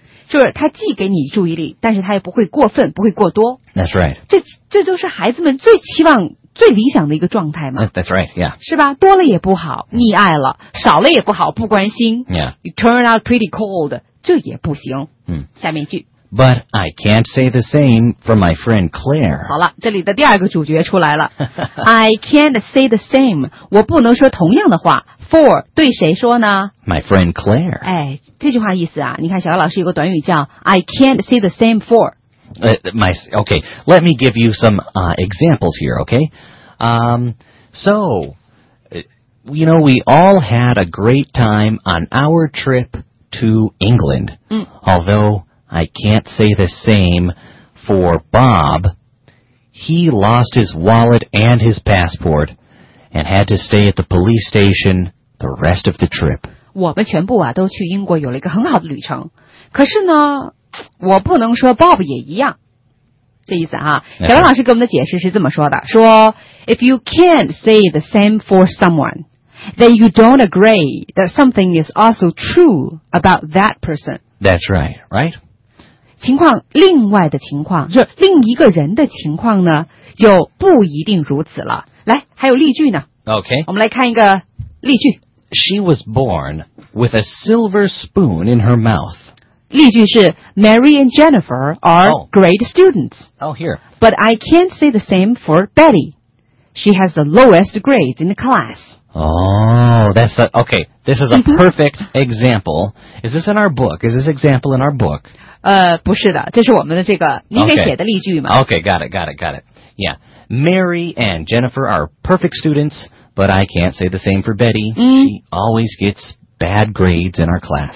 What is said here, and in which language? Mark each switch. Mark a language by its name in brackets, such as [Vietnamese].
[Chinese] 就是他既给你注意力，但是他也不会过分，不会过多。 [English] That's right. [Chinese] 这都是孩子们最期望、最理想的一个状态嘛。 [English] That's right. Yeah. [Chinese] 是吧？多了也不好，溺爱了；少了也不好，不关心。 [English] Yeah. You turn out pretty cold. [Chinese] 这也不行。下面一句。 [English] But I can't say the same for my friend Claire. [Chinese] 好了，这里的第二个主角出来了。 [English] I can't say the same. [Chinese] 我不能说同样的话。 For 对谁说呢 [English] ？My friend Claire. [Chinese] 哎，这句话意思啊，你看小姚老师有个短语叫 [English] I can't say the same for. Okay. Let me give you some examples here. Okay. So, you know, we all had a great time on our trip to England.、嗯、 Although. I can't say the same for Bob. He lost his wallet and his passport and had to stay at the police station the rest of the trip. [Chinese] 我们全部啊都去英国有了一个很好的旅程。可是呢我不能说 Bob 也一样。这意思啊小文老师给我们的解释是这么说的说 [English] If you can't say the same for someone, then you don't agree that something is also true about that person. That's right, right? [Chinese] 情况另外的情况就是另一个人的情况呢就不一定如此了来还有例句呢 [English] OK [Chinese] 我们来看一个例句 [English] She was born with a silver spoon in her mouth [Chinese] 例句是 [English] Mary and Jennifer are、 oh. great students Oh here But I can't say the same for Betty She has the lowest grades in the class Oh, that's a, okay. This is a perfect example. Is this in our book? Is this example in our book? [Chinese] 不是的，这是我们的这个你给写的例句嘛。 [English] Okay, got it. Yeah, Mary and Jennifer are perfect students, but I can't say the same for Betty. She always gets bad grades in our class.